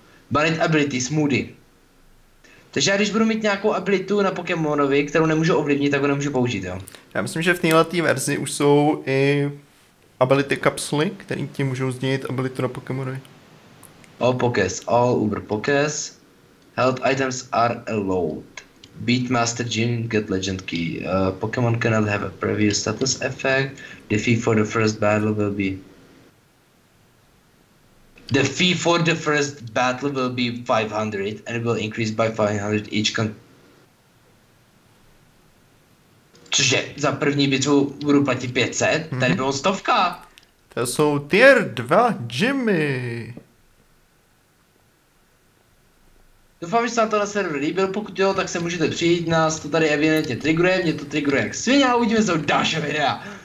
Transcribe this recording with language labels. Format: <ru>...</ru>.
<cs>Banit ability, smoothie. Takže já když budu mít nějakou abilitu na Pokémonovi, kterou nemůžu ovlivnit, tak ho nemůžu použít, jo? Já myslím, že v této verzi už jsou i ability kapsly, které ti můžou změnit abilitu na Pokémonovi.</cs> <en>All Pokés, all Uber Pokés. Health items are allowed. Beat Master Gym, get Legend Key. Pokémon cannot have a previous status effect. Defeat for the first battle will be... The fee for the first battle will be 500 and it will increase by 500 each con...</en> <cs>Cože, za první bitvu budu platit 500? Mm-hmm. Tady bylo stovka! To jsou tier 2 gymy! Doufám, že se vám tohle server líbil, pokud jo, tak se můžete přijít, nás to tady evidentně triggeruje, mě to triggeruje jak svině a uvidíme se u dalšího videa!</cs>